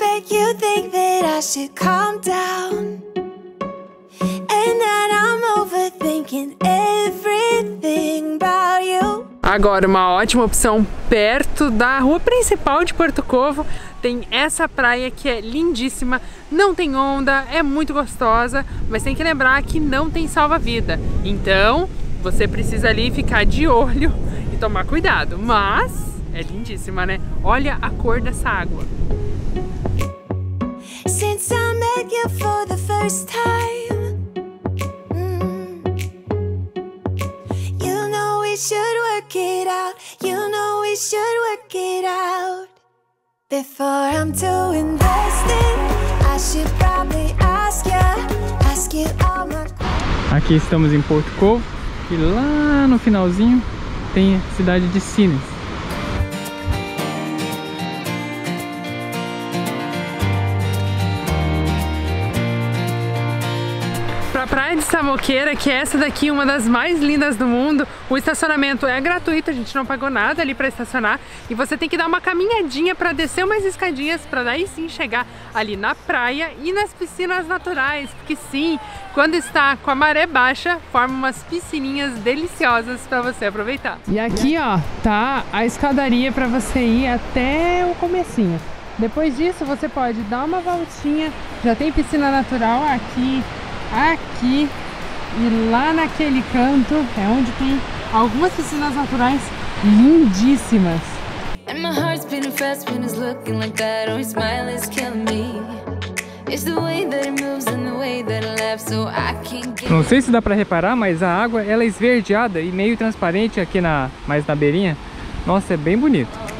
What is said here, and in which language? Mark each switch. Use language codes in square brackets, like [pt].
[en] You think that I should calm down, and that I'm overthinking everything about you. [pt] Agora, uma ótima opção perto da rua principal de Porto Covo, tem essa praia que é lindíssima, não tem onda, é muito gostosa, mas tem que lembrar que não tem salva-vida. Então, você precisa ali ficar de olho e tomar cuidado, mas é lindíssima, né? Olha a cor dessa água. [en] Since I met you for the first time, you know we should work it out. You know we should work it out. Before I'm too invested, I should probably ask you, ask you all my questions. [pt] Aqui estamos em Porto Covo e lá no finalzinho tem a cidade de Sines. Samoqueira, que é essa daqui, uma das mais lindas do mundo. O estacionamento é gratuito, a gente não pagou nada ali para estacionar. E você tem que dar uma caminhadinha para descer umas escadinhas, para daí sim chegar ali na praia e nas piscinas naturais. Porque sim, quando está com a maré baixa, forma umas piscininhas deliciosas para você aproveitar. E aqui, ó, tá a escadaria para você ir até o comecinho. Depois disso, você pode dar uma voltinha. Já tem piscina natural aqui. Aqui e lá naquele canto é onde tem algumas piscinas naturais lindíssimas. [en] And my heart's beating fast when it's looking like that. Oh, smile is killing me. It's the way that it moves and the way that it laughs, so I can't get. [pt] Não sei se dá pra reparar, mas a água ela é esverdeada e meio transparente aqui na mais na beirinha. Nossa, é bem bonito.